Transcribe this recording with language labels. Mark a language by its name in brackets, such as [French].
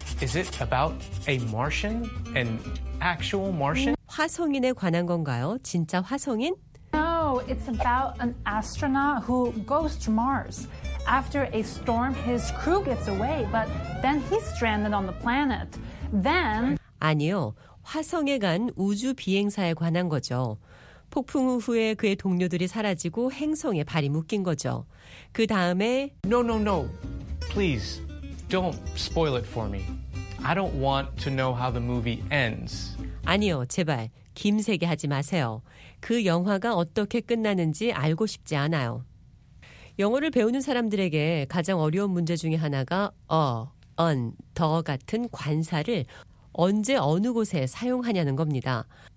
[English] Is it about a Martian? An actual Martian? [Korean] 화성인에 관한 건가요? 진짜 화성인? [English] No, it's about an astronaut who goes to Mars. After a storm, his crew gets away, but then he's stranded on the planet. Then... [Korean] 아니요, 화성에 간 우주 비행사에 관한 거죠. 폭풍 후에 그의 동료들이 사라지고 행성에 발이 묶인 거죠. 그 다음에 [English] No, no, no. Please, don't spoil it for me. I don't want to know how the movie ends. [Korean] 아니요, 제발 김세게 하지 마세요. 그 영화가 어떻게 끝나는지 알고 싶지 않아요. 영어를 배우는 사람들에게 가장 어려운 문제 중에 하나가 a, an, the 같은 관사를 언제 어느 곳에 사용하냐는 겁니다.